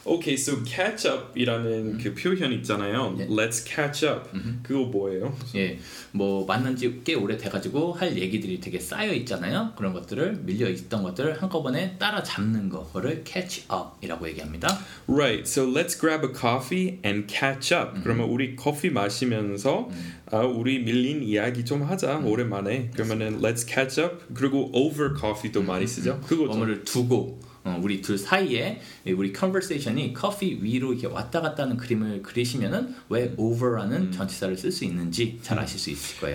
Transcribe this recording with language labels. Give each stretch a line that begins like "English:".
English: Okay, so
Korean: catch up이라는 그 표현 있잖아요. Yeah.
English: Let's catch up. Mm-hmm.
Korean: 그거 뭐예요? 예, 뭐 만난 지 꽤 오래돼가지고 할 얘기들이 되게 쌓여 있잖아요. 그런 것들을 밀려 있던 것들을 한꺼번에 따라잡는 거를 catch up이라고 얘기합니다.
English: Right. So let's grab a coffee and catch up. Mm-hmm.
Korean: 그러면 우리 커피 마시면서 우리 밀린 이야기 좀 하자 오랜만에. 그러면은
English: let's catch up.
Korean: 그리고 over coffee도 많이 쓰죠. 그거 좀. 어머를 두고. 우리 둘 사이에 우리 conversation이 커피 위로 이렇게 왔다 갔다 하는 그림을 그리시면은 왜 over라는 전치사를 쓸 수 있는지 잘 아실 수 있을 거예요.